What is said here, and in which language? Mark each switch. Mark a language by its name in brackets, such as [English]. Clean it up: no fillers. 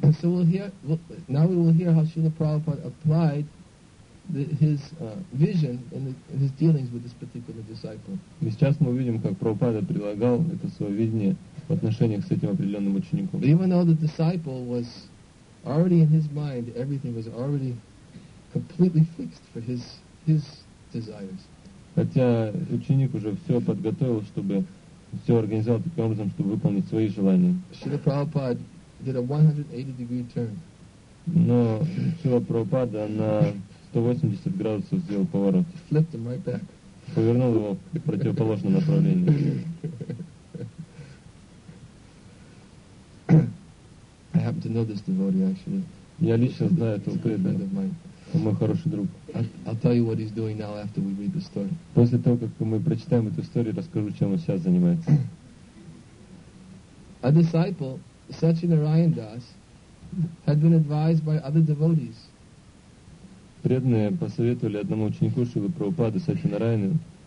[English] And so we will hear how Srila Prabhupada applied his vision in his dealings with this particular disciple. [Russian] И сейчас мы увидим, как Прабхупада прилагал это свое видение в отношениях с этим определенным учеником. [English] But even though the disciple was already in his mind, everything was already completely fixed for his desires. [Russian] Хотя ученик уже все подготовил, чтобы все организовал таким образом, чтобы выполнить свои желания. [English] Srila Prabhupada did a 180 degree turn. [Russian] Но Srila Prabhupada на 180 градусов сделал поворот. [English] Flipped him right back. [Russian] Повернул его в противоположном направлении. [English] I happen to know this devotee, actually. [Russian] Я лично знаю этого преданного. Он мой хороший друг. [English] I'll tell you what he's doing now after we read the story. [Russian] После того, как мы прочитаем эту историю, расскажу, чем он сейчас занимается. [English] A disciple, Satchinarayan Das, had been advised by other devotees. [Russian] Преданные посоветовали одному ученику Шрилы Прабхупады, Сатьянараяне,